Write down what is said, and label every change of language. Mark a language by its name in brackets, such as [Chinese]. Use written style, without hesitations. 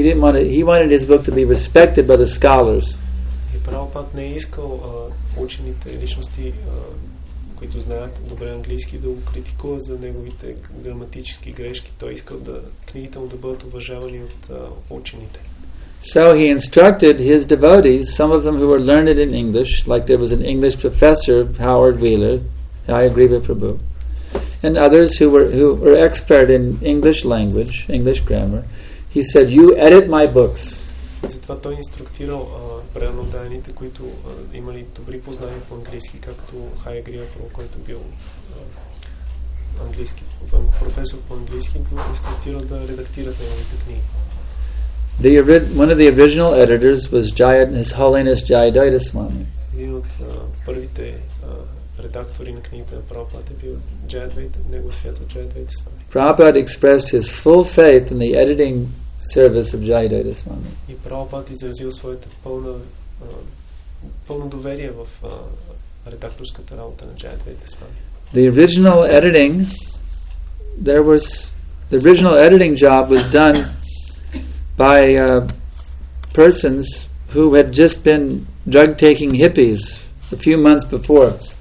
[English] He wanted his book to be respected by the scholars. [Bulgarian] И Прабхупад не искал учените личности, които знаят добре английски, да го критикуват за неговите граматически грешки. Той искал да книгите му да бъдат уважавани от учените. [English] So he instructed his devotees, some of them who were learned in English, like there was an English professor, Howard Wheeler, Hayagriva Prabhu, and others who were expert in English language, English grammar. He said, "You edit my books." [Bulgarian] Затова той инструктирал преданите, които имали добри познания по английски, както Hayagriva Prabhu, който бил английски професор по английски, инструктирал да редактират неговите книги. [English] One of the original editors was His Holiness Jayadeva Swami. [Bulgarian] Един от първите редактори на книгите на Прабхупада бил Негово Свято Jayadeva Swami. [English] Prabhupada expressed his full faith in the editing service of Jayadeva Swami. [Bulgarian] И Прабхупада изразил своята пълно доверие в редакторската работа на Jayadeva Swami. [English] The original editing job was done by persons who had just been drug-taking hippies a few months before.